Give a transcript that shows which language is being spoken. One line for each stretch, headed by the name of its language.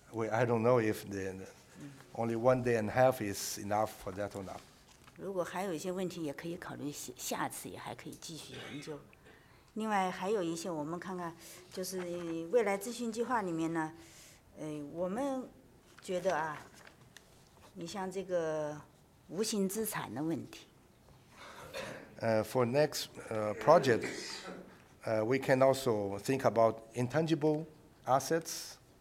English: I don't know if the only 1.5 days is enough for that or not.
Chinese: 如果还有一些问题，也可以考虑下次也还可以继续研究。另外还有一些，我们看看，就是未来资讯计划里面呢，我们觉得啊，你像这个无形资产的问题。
English: For next project, we can also think about intangible assets.